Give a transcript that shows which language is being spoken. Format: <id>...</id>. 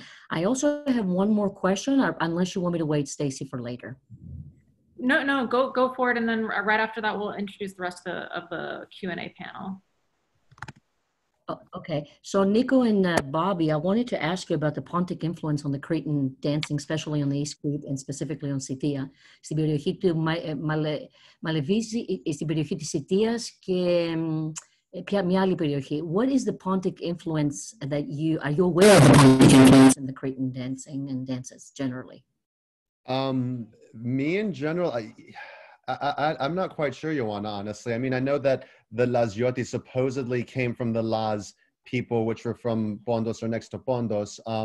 <en>I also have one more question, unless you want me to wait, Stacey, for later. No. Go for it. And then right after that, we'll introduce the rest of the Q&A panel. Okay, so Nico and Bobby, I wanted to ask you about the Pontic influence on the Cretan dancing, especially on the East Crete and specifically on Scythia.</en> <el>Στην περιοχή της Scythias και μια άλλη περιοχή.</el> <en>What is the Pontic influence that you, are you aware of the Pontic influence in the Cretan dancing and dances generally? Me in general, I'm not quite sure, Ioana, honestly. I mean, I know that the Laziotti supposedly came from the Laz people, which were from Pontos or next to Pontos.</en>